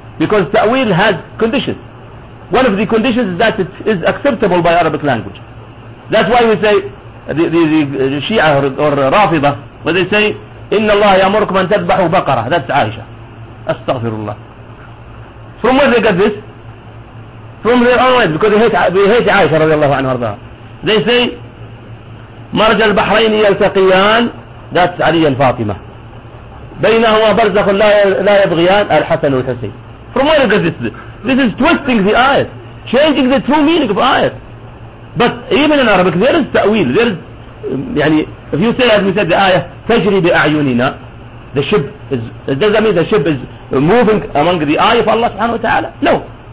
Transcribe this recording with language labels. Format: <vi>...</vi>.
<en>Because ta'wil has conditions. One of the conditions is that it is acceptable by Arabic language. That's why we say, the Shia or Rafida, when they say,</en> <ar>Inna Allah yamurkum an tadbahu baqara.</ar> <en>That's Aisha. Astaghfirullah. From where they get this? From their own words, because they hate Aisha radiallahu anhu arda. They say,</en> <ar>مرج البحرين يلتقيان,</ar> <en>that's</en> <ar>علي الفاطمة. بينهما برزخ لا يبغيان الحسن والحسين.</ar> <en>From where does this? This is twisting the ayat, changing the true meaning of ayat. But even in Arabic, there is ta'wil. There is, if you say, as we said, the ayah,</en> <ar>تجري بأعيننا,</ar> <en>the ship is, it doesn't mean the ship is moving among the ayah of Allah subhanahu wa ta'ala. No.</en>